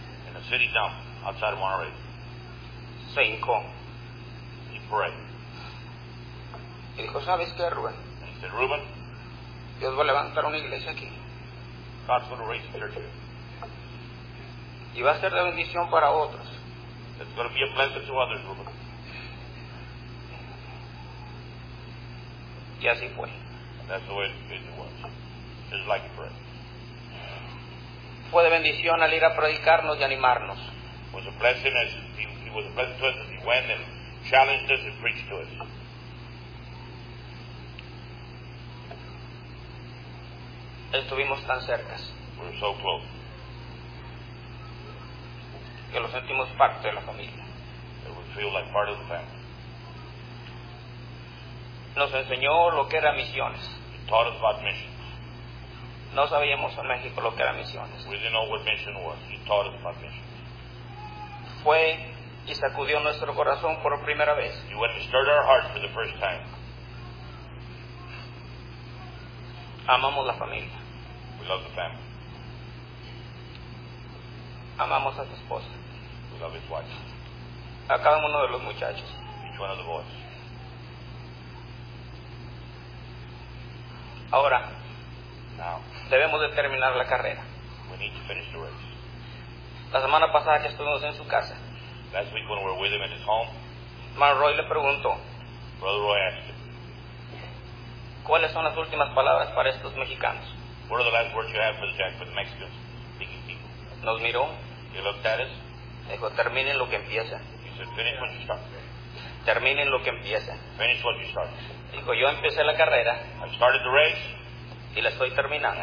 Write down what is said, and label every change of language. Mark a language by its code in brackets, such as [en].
[en] In a city dump outside of Monterey. [es] Se hincó. [en] He prayed. [es] Y dijo, ¿sabes qué, Rubén? [en] And he said, Rubén. [es] Dios va a levantar una iglesia aquí. [en] God's going to raise a church here. [es] Y va a ser de bendición para otros. [en] It's going to be a blessing to others, Ruben. [es] Y así fue. [en] That's the way it was. Just like you prayed. [es] Fue de bendición al ir a predicarnos y animarnos. [en] It was a blessing as he was a blessing to us as he went and challenged us and preached to us. [es] Estuvimos tan cerca. [en] We were so close. [es] Que lo sentimos parte de la familia. [en] It would feel like part of the family. [es] Nos enseñó lo que era misiones. [en] He taught us about missions. [es] No sabíamos en México lo que era misiones. [en] We didn't know what mission was. He taught us about missions. [es] Fue y sacudió nuestro corazón por primera vez. [en] He went and stirred our hearts for the first time. [es] Amamos la familia. [en] We love the family. [es] Amamos a su esposa. [en] We love his wife. [es] A cada uno de los muchachos. [en] Each one of the boys. [es] Ahora, [en] now, [es] debemos de terminar la carrera. [en] We need to finish the race. [es] La semana pasada que estuvimos en su casa, [en] last week when we were with him in his home, [es] Mar Roy le preguntó, [en] Brother Roy asked him, [es] ¿cuáles son las últimas palabras para estos mexicanos? [en] What are the last words you have for the Jack, for the Mexicans, speaking people? [es] Nos miró. [en] He looked at us. [es] Dijo, terminen lo que empieza. [en] He said, finish what you start. [es] Terminen lo que empieza. [en] Finish what you start. [es] Dijo, yo empecé la carrera. [en] I started the race. [es] Y la estoy terminando.